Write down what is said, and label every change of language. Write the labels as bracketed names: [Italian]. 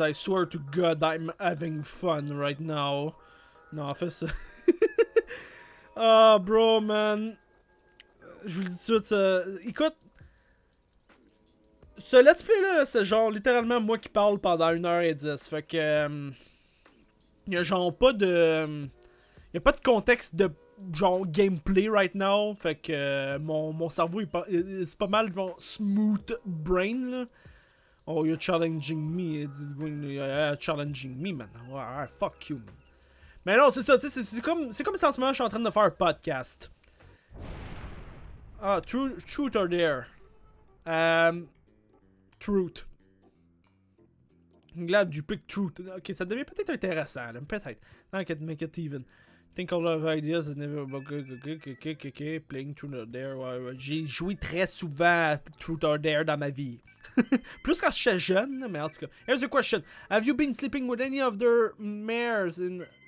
[English] I swear to God, I'm having fun right now. No, office. Ah, oh, bro, man. [French] Je vous le dis tout de suite, écoute. Ce let's play là, c'est genre littéralement moi qui parle pendant 1h10. Fait que. Y'a genre pas de. Y'a pas de contexte de genre gameplay [English] right now. [French] Fait que. Mon cerveau, c'est pas mal genre smooth brain là. [English] Oh, you're challenging me. It's challenging me, man. Oh, fuck you, man. [French] Mais non, c'est ça, tu sais, c'est comme si en ce moment je suis en train de faire un podcast. [English] Ah, truth or dare. Truth. I'm glad you pick truth. [French] Ok, ça devient peut-être intéressant, là, peut-être. [English] Non, can't make it even. Think all of ideas is never... Ok, playing truth or dare. Ouais. [French] J'ai joué très souvent à truth or dare dans ma vie. Plus quand je suis jeune, mais en tout cas. [English] Here's a question. Have you been sleeping with any of their mares in...